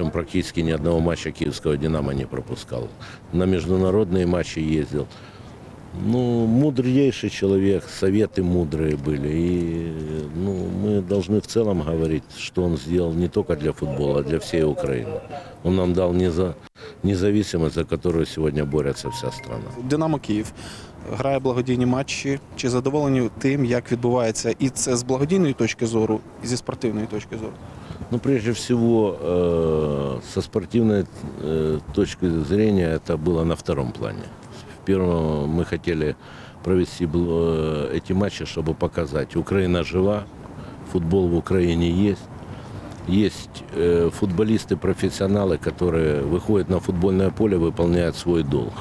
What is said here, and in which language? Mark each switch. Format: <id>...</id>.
<ru>Он практически ни одного матча Киевского «Динамо» не пропускал. На международные матчи ездил. Ну, мудрейший человек, советы мудрые были. И ну, мы должны в целом говорить, что он сделал не только для футбола, а для всей Украины. Он нам дал независимость, за которую сегодня борется вся страна.</ru> <uk>«Динамо Киев» грає благодійні матчі. Чи задоволені тим, як відбувається і це з благодійної точки зору, і зі спортивної точки зору?</uk> <ru>Ну, прежде всего, со спортивной точки зрения это было на втором плане. Первым мы хотели провести эти матчи, чтобы показать, Украина жива, футбол в Украине есть. Есть футболисты-профессионалы, которые выходят на футбольное поле, выполняют свой долг.</ru>